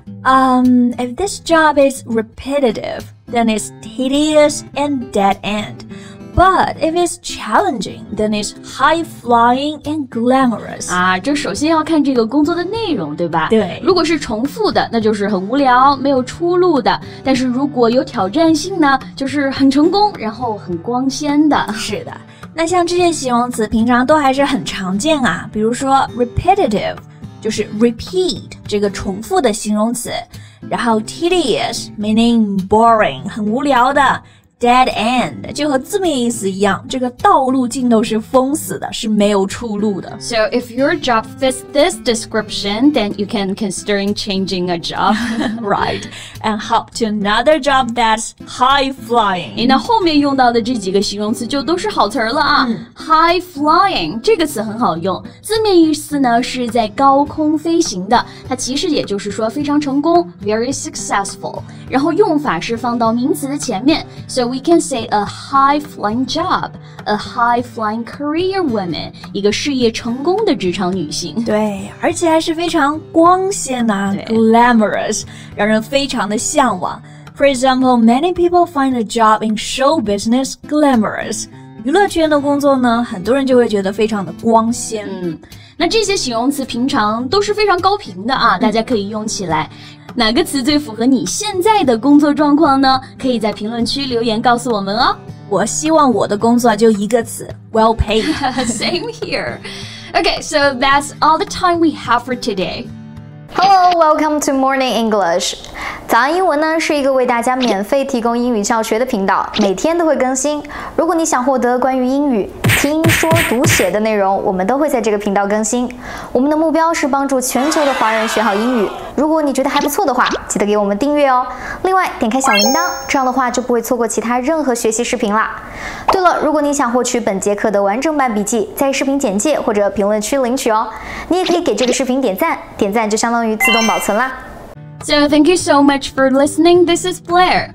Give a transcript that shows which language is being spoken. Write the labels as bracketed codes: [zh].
[en] If this job is repetitive, then it's tedious and dead end. But if it's challenging, then it's high-flying and glamorous. [zh] 啊，这首先要看这个工作的内容，对吧？对。如果是重复的，那就是很无聊，没有出路的。但是如果有挑战性呢，就是很成功，然后很光鲜的。是的。那像这些形容词，平常都还是很常见啊。比如说 repetitive, 就是 repeat, 这个重复的形容词。然后 tedious, [en] meaning boring, [zh] 很无聊的。 Dead end, 就和字面意思一样，这个道路尽头是封死的，是没有出路的。 [en] So if your job fits this description, then you can consider changing a job. Right. And hop to another job that's high flying. [zh] 那后面用到的这几个形容词就都是好词了啊。 High flying, 这个词很好用。字面意思呢是在高空飞行的，它其实也就是说非常成功， [en] very successful. [zh] 然后用法是放到名词的前面， [en] So we can say a high-flying job, a high-flying career woman, [zh] 一个事业成功的职场女性。对，而且还是非常光鲜啊 glamorous, 让人非常的向往。 [en] For example, many people find a job in show business glamorous. [zh] 娱乐圈的工作呢，很多人就会觉得非常的光鲜。那这些形容词平常都是非常高频的啊，大家可以用起来。哪个词最符合你现在的工作状况呢？可以在评论区留言告诉我们哦。我希望我的工作就一个词 ， [en] well paid. Same here. Okay, so that's all the time we have for today. Hello, welcome to Morning English. [zh] 早安英文呢是一个为大家免费提供英语教学的频道，每天都会更新。如果你想获得关于英语听说读写的内容，我们都会在这个频道更新。我们的目标是帮助全球的华人学好英语。如果你觉得还不错的话，记得给我们订阅哦。另外，点开小铃铛，这样的话就不会错过其他任何学习视频啦。对了，如果你想获取本节课的完整版笔记，在视频简介或者评论区领取哦。你也可以给这个视频点赞，点赞就相当于自动保存啦。 [en] So thank you so much for listening. This is Blair.